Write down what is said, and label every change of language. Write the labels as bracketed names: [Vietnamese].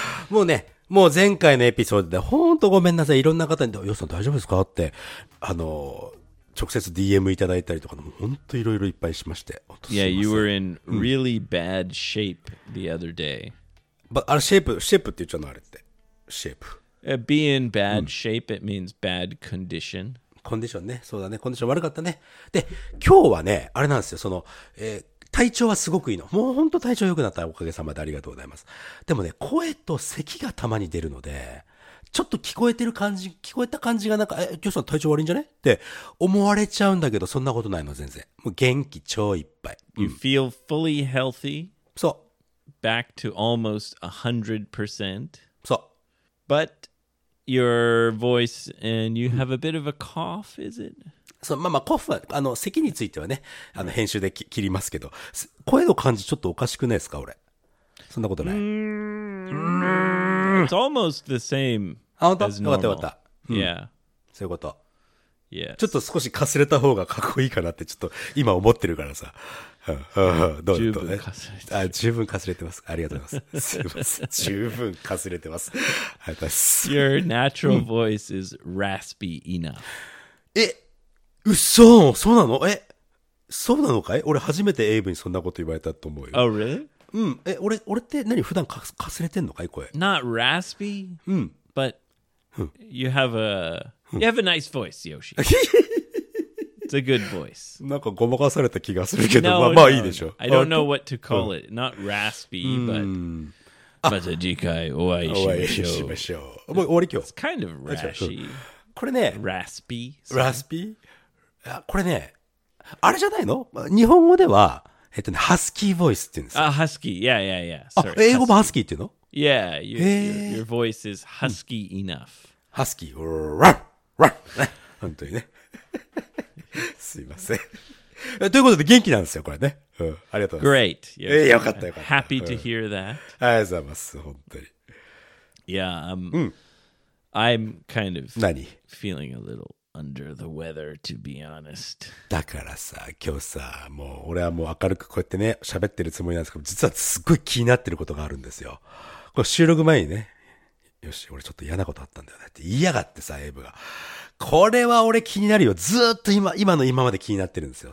[Japanese] もうね、もう前回のエピソードで、ほんとごめんなさい、いろんな方に、よさん大丈夫ですかって、直接 DM いただいたりとか、ほんといろいろいっぱいしまして。 [English] Yeah, you were in really bad shape the other day. [Japanese] But, あれ、シェイプ、シェイプって言っちゃうの、あれって。シェイプ。 [English] Be in bad shape, it means bad condition. [Japanese] コンディションね。そうだね。コンディション悪かったね。で、今日はね、あれなんですよ。その、体調はすごくいいの。もうほんと体調良くなった。おかげさまでありがとうございます。でもね、声と咳がたまに出るので、ちょっと聞こえてる感じ、聞こえた感じがなんか、今日さん体調悪いんじゃね? って思われちゃうんだけど、そんなことないの、全然。もう元気超いっぱい。 [English] You feel fully healthy? [Japanese] そう。 [English] Back to almost 100%. So. But your voice and you have a bit of a cough, is it? [Japanese] So, まあまあ、コフは、咳についてはね、編集で切りますけど、声の感じちょっとおかしくないですか、俺。そんなことない。 [English] It's almost the same. [Japanese] あ、本当?よかったよかった。 [English] Yeah. [Japanese] そういうこと。 [English] Yeah. [Japanese] ちょっと少しかすれた方がかっこいいかなって、ちょっと今思ってるからさ。どうぞ、ね、十分かすれてます。ありがとうございます。すいません。十分かすれてます。ありがとうございます。 [English] Your natural voice is raspy enough. [Japanese] え、うっそー、そうなの?え、そうなのかい? 俺初めてエイブにそんなこと言われたと思うよ。 [English] Oh, really? [Japanese] うん。え、俺って何普段かすれてんのかい声。 [English] Not raspy? うん。 But you have a, you have a nice voice, Yoshi. It's a good voice. [Japanese] なんかごまかされた気がするけど、 [English] no, [Japanese] まあ、 [English] no, [Japanese] まあいいでしょう。 [English] No. I don't know what to call it. Not raspy, but [Japanese] また次回お会いしましょう。終わり今日。 [English] It's kind of rashy. [Japanese] これね、 [English] raspy、 [Japanese] raspy、これね、あれじゃないの？日本語ではね、ハスキーボイスって言うんですよ。 [English] ハスキー、yeah yeah yeah。 [Japanese] あ、英語もハスキーっていうの？ [English] Yeah, your voice is husky enough。 [Japanese] ハスキー、ラン、ラン、ね、本当にね。すいません。ということで元気なんですよ、これね。うん、ありがとうございます。 [English] Great、 [Japanese] yes. よかったよかった。 [English] Happy to hear that、 [Japanese] うん。ありがとうございます、本当に。 [English] Yeah, I'm kind of feeling a little under the weather, to be honest. [Japanese] だからさ、今日さ、もう俺はもう明るくこうやってね、喋ってるつもりなんですけど、実はすっごい気になってることがあるんですよ。これ収録前にね、よし、俺ちょっと嫌なことあったんだよねって言いやがってさ、エイブが。これは俺気になるよ。ずっと今の今まで気になってるんですよ。